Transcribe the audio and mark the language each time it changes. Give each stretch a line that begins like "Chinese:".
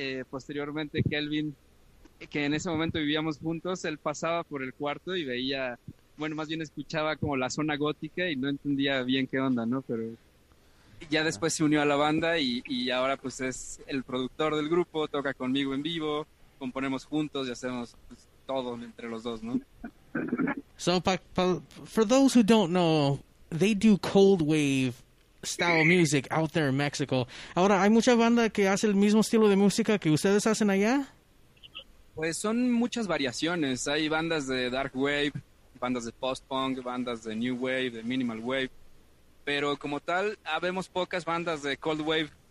Spanish: Posteriormente, Kelvin, que en ese momento vivíamos juntos, él pasaba por el cuarto y veía, bueno, más bien escuchaba como la zona gótica y no entendía bien qué onda, ¿no? Pero ya después se unió a la banda y ahora pues es el productor del grupo, toca conmigo en vivo, componemos juntos y hacemos pues, todo entre los dos, ¿no?
English: So, for those who don't know, they do Cold Wave style music out there in Mexico.
Spanish: Ahora, ¿hay mucha banda que hace el mismo estilo de música que ustedes hacen allá? Pues son muchas variaciones. Hay bandas de dark wave, bandas de post-punk, bandas de new wave, de minimal wave. Pero como tal, habemos pocas bandas de cold wave.